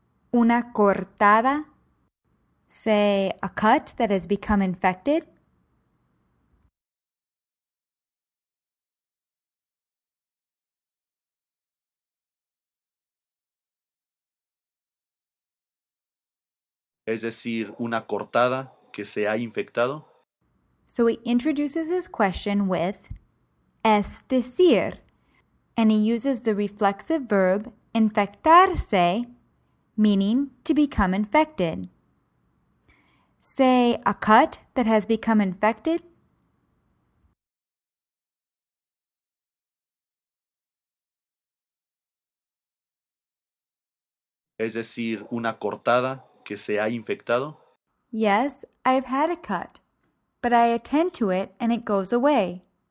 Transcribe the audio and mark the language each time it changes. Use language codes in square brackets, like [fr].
[es] Una cortada. [en] Say, a cut that has become infected. [es] Es decir, una cortada que se ha infectado. [en] So he introduces his question with [es] es decir, [en] and he uses the reflexive verb infectarse, meaning to become infected. Say, a cut that has become infected. [es] Es decir, una cortada que se ha infectado. [en] Yes, I've had a cut, but I attend to it and it goes away.